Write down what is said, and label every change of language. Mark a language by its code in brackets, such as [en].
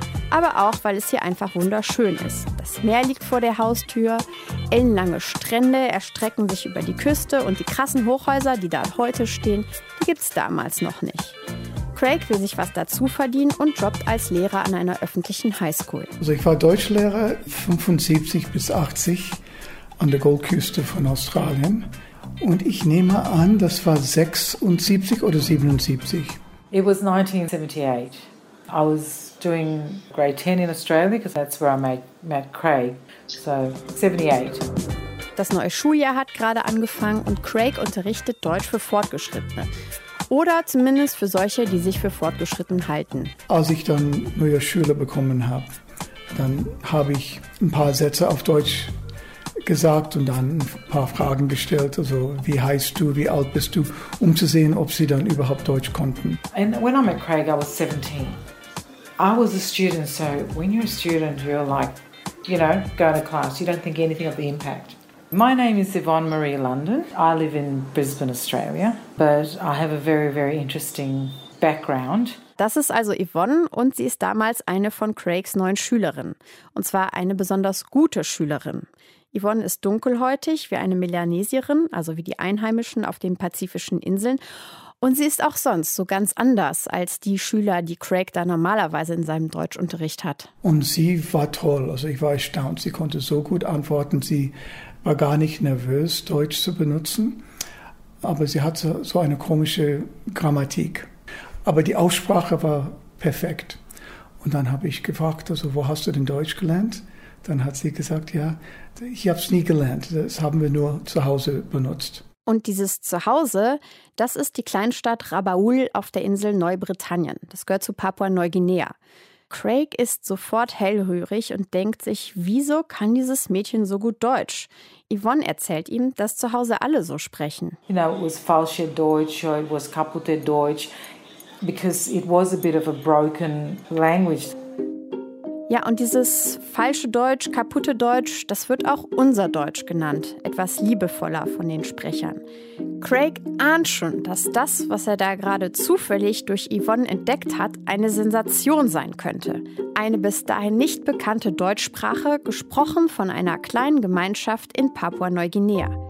[de] Aber auch, weil es hier einfach wunderschön ist. Das Meer liegt vor der Haustür, ellenlange Strände erstrecken sich über die Küste und die krassen Hochhäuser, die da heute stehen, die gibt's damals noch nicht. Craig will sich was dazu verdienen und jobbt als Lehrer an einer öffentlichen Highschool. Also ich war Deutschlehrer 75 bis 80 an der Goldküste von Australien. Und ich nehme an, das war 76 oder 77. [en] It was 1978. I was doing grade 10 in Australia, because that's where I met Craig. So, 78. [de] Das neue Schuljahr hat gerade angefangen und Craig unterrichtet Deutsch für Fortgeschrittene. Oder zumindest für solche, die sich für fortgeschritten halten. Als ich dann neue Schüler bekommen habe, dann habe ich ein paar Sätze auf Deutsch gesagt und dann ein paar Fragen gestellt, also wie heißt du, wie alt bist du, um zu sehen, ob sie dann überhaupt Deutsch konnten. [en] And when I met Craig, I was 17. I was a student, so when you're a student, you're like, you know, go to class, you don't think anything of the impact. My name is Yvonne Marie London. I live in Brisbane, Australia, but I have a very, very interesting background. [de] Das ist also Yvonne und sie ist damals eine von Craigs neuen Schülerinnen. Und zwar eine besonders gute Schülerin. Yvonne ist dunkelhäutig wie eine Melanesierin, also wie die Einheimischen auf den pazifischen Inseln. Und sie ist auch sonst so ganz anders als die Schüler, die Craig da normalerweise in seinem Deutschunterricht hat. Und sie war toll. Also ich war erstaunt. Sie konnte so gut antworten. Sie war gar nicht nervös, Deutsch zu benutzen. Aber sie hatte so eine komische Grammatik. Aber die Aussprache war perfekt. Und dann habe ich gefragt, also wo hast du denn Deutsch gelernt? Dann hat sie gesagt, ja, ich habe es nie gelernt. Das haben wir nur zu Hause benutzt. Und dieses Zuhause, das ist die Kleinstadt Rabaul auf der Insel Neubritannien. Das gehört zu Papua-Neuguinea. Craig ist sofort hellhörig und denkt sich, wieso kann dieses Mädchen so gut Deutsch? Yvonne erzählt ihm, dass zu Hause alle so sprechen. [en] You know, it was [de] falsche Deutsch, [en] or it was [de] kaputte Deutsch, [en] because it was a bit of a broken language. [de] Ja, und dieses falsche Deutsch, kaputte Deutsch, das wird auch unser Deutsch genannt. Etwas liebevoller von den Sprechern. Craig ahnt schon, dass das, was er da gerade zufällig durch Yvonne entdeckt hat, eine Sensation sein könnte. Eine bis dahin nicht bekannte Deutschsprache, gesprochen von einer kleinen Gemeinschaft in Papua-Neuguinea.